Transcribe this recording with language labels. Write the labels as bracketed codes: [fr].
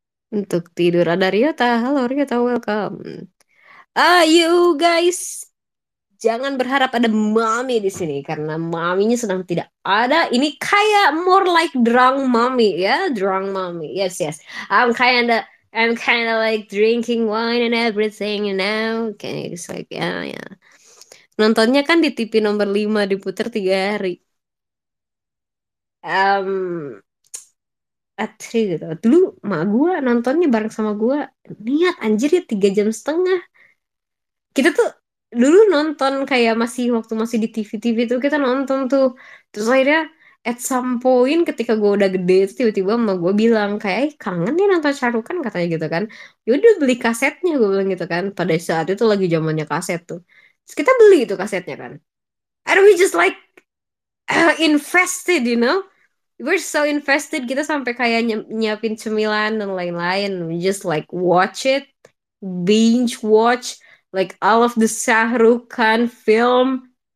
[id] Untuk tidur. Ada Ryota. Halo Ryota, welcome. [en] Are you guys [id] jangan berharap ada mami di sini karena maminya sedang tidak ada. Ini kayak [en] more like drunk mommy ya, yeah? Drunk mommy. Yes. I'm kinda like drinking wine and everything, you know. Okay, it's like yeah. [id] Nontonnya kan di TV nomor 5 diputar 3 hari. Atri gitu. Dulu mak gue nontonnya bareng sama gue. Niat anjir ya 3 jam setengah. Kita tuh dulu nonton kayak masih waktu masih di TV-TV tuh kita nonton tuh. Terus akhirnya [en] at some point [id] ketika gue udah gede tuh tiba-tiba mama gue bilang kayak kangen nih nonton Charukan katanya gitu kan. Yaudah beli kasetnya gue bilang gitu kan. Pada saat itu lagi zamannya kaset tuh. Terus kita beli itu kasetnya kan. [en] And we just like invested, you know. We're so invested, [id] kita sampai kayak nyiapin cemilan dan lain-lain. [en] We just like watch it, binge watch, like all of the Shah Rukh Khan film.